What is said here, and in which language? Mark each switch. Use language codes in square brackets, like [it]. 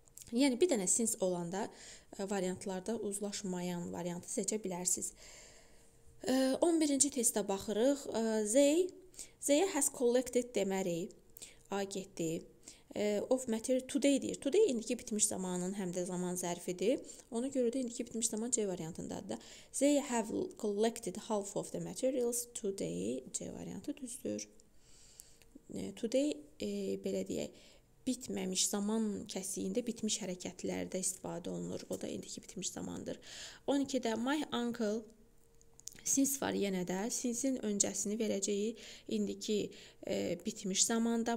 [az] Yəni bir dənə since olanda variantlarda uzlaşmayan variantı seçə bilərsiniz. 11-ci testə baxırıq. [en] Zeya has collected [az] deməli. A getdi. [en] Of material today [az] deyir. Today indiki bitmiş zamanın həm də zaman zərfidir. Ona görə də indiki bitmiş zaman C variantındadır da. [en] They have collected half of the materials today. [az] C variantı düzdür. Today belə deyək, bitməmiş zaman kəsiyində bitmiş hərəkətlərdə istifadə olunur. O da indiki bitmiş zamandır. 12-də [en] my uncle since [az] var yenə də. Since-in öncəsini verəcəyi indiki bitmiş zamanda.